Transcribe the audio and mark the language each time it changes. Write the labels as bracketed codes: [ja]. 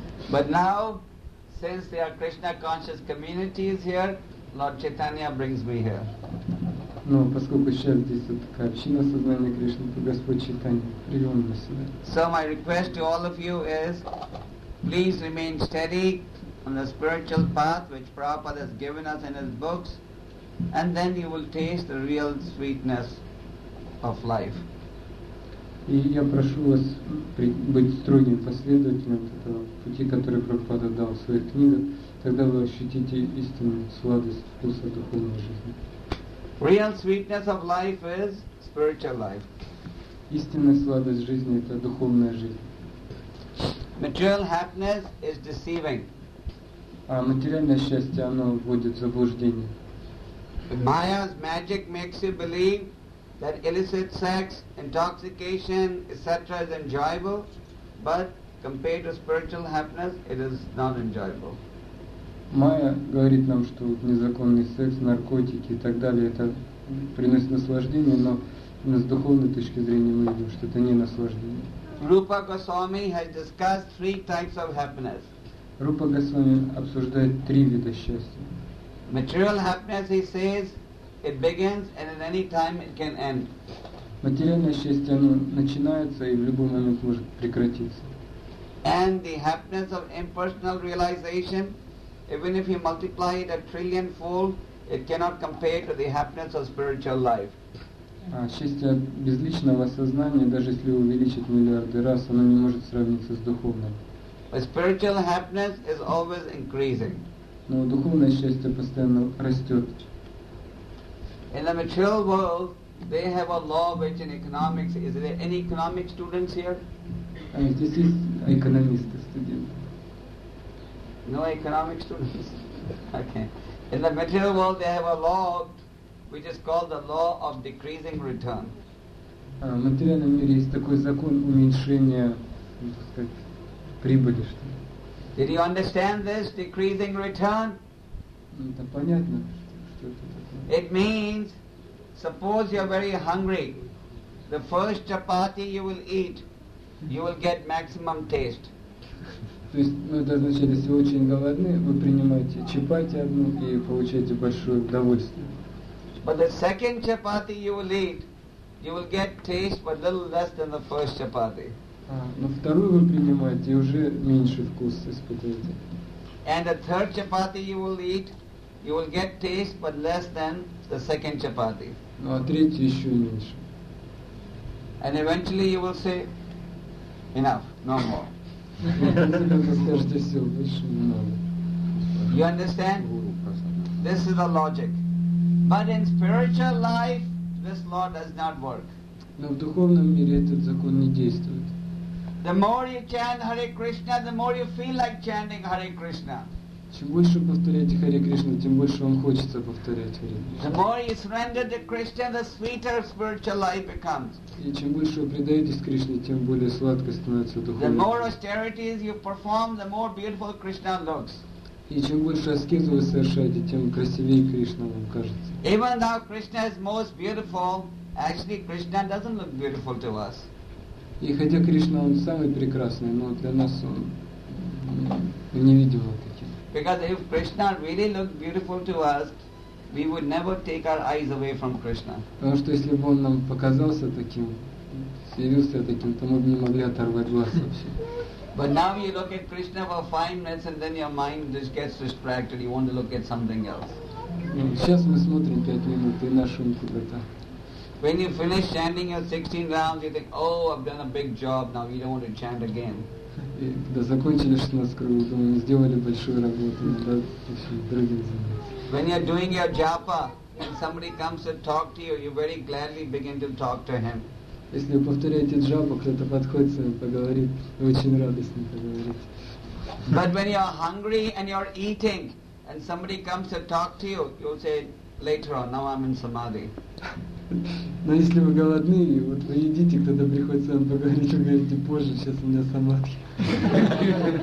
[en] But now, since there are Krishna conscious communities here, Lord Chaitanya brings me here. [ru] Но поскольку сейчас здесь вот такая община сознания Кришны, то Господь Чайтанья привел меня сюда. [en] So my request to all of you is, please remain steady on the spiritual path which Prabhupada has given us in his books, and then you will taste the real sweetness of life. [ru] И я прошу вас быть строгим последователем этого пути, который Прабхупада дал в своих книгах, тогда вы ощутите истинную сладость вкуса духовной жизни. [en] Real sweetness of life is spiritual life. [ru] Истинная сладость жизни – это духовная жизнь. [en] Material happiness is deceiving. [ru] А материальное счастье, оно вводит в заблуждение. [en] Maya's magic makes you believe that that illicit sex, intoxication, etc. is enjoyable, but compared to spiritual happiness, it is not enjoyable. [ru] Майя говорит нам, что незаконный секс, наркотики и так далее, это приносит наслаждение, но с духовной точки зрения мы видим, что это не наслаждение. [en] Rupa Goswami has discussed three types of happiness. [ru] Rupa Goswami обсуждает три вида счастья. [en] Material happiness, he says, it begins and at any time it can end. [ru] Материальное счастье, оно начинается и в любой момент может прекратиться. [en] And the happiness of impersonal realization, even if you multiply it a trillion fold, it cannot compare to the happiness of spiritual life. [ru] А счастье безличного сознания, даже если увеличить миллиарды раз, оно не может сравниться с духовным. [en] But spiritual happiness is always increasing. [ru] Но духовное счастье постоянно растет. [en] In the material world, they have a law which in economics, is there any economic students here? [ru] А здесь есть экономисты, студенты? [en] No economic students? Okay. In the material world, they have a law which is called the law of decreasing return. [ru] А в материальном мире есть такой закон уменьшения, так сказать, прибыли, что ли? [en] Did you understand this, decreasing return? [ru] Это понятно, что это такое. [en] It means, suppose you are very hungry, the first chapati you will eat, you will get maximum taste. [ru] То есть, ну это означает, если вы очень голодны, вы принимаете чапати одну и получаете большое удовольствие. [en] But the second chapati you will eat, you will get taste but little less than the first chapati. [ru] Но вторую вы принимаете, и уже меньше вкус испытываете. [en] And the third chapati you will eat, you will get taste but less than the second chapati. [ru] Ну а третью еще меньше. [en] And eventually you will say, enough, no more. You understand? This is the logic. But in spiritual life, this law does not work. [ru] Но в духовном мире этот закон не действует. [en] The more you chant Hare Krishna, the more you feel like chanting Hare Krishna. [ru] Чем больше повторяете Hare Krishna, тем больше вам хочется повторять Hare Krishna. [en] The more you surrender to Krishna, the sweeter spiritual life becomes. [ru] И чем больше вы предаетесь Кришне, тем более сладко становится духовное. [en] The more austerities you perform, the more beautiful Krishna looks. [ru] И чем больше аскезы вы совершаете, тем красивее Кришна вам кажется. [en] Even though Krishna is most beautiful, actually Krishna doesn't look beautiful to us. [ru] И хотя Кришна он самый прекрасный, но для нас он не видим его таким. [en] Because if Krishna really looked beautiful to us, we would never take our eyes away from Krishna. [ru] Потому что если бы он нам показался таким, явился таким, то мы бы не могли оторвать глаз вообще. [en] But now you look at Krishna for 5 minutes and then your mind just gets distracted, you want to look at something else. [ru] Сейчас мы смотрим 5 минут и наш ум куда-то. [en] When you finish chanting your 16 rounds, you think, oh, I've done a big job, now you don't want to chant again. [ru] И когда закончили 16 кругов, мы сделали большую работу, надо еще другим заниматься. [en] When you're doing your japa and somebody comes to talk to you, you very gladly begin to talk to him. [ru] Если вы повторяете джапу, кто-то подходит с вами поговорить, вы очень рады с ним поговорить. [en] But when you're hungry and you're eating and somebody comes to talk to you, you'll say, later on, now I'm in samadhi. [ru] Но если вы голодны, и вот вы едите, кто-то приходит с вами поговорить, вы говорите, позже, сейчас у меня самадхи.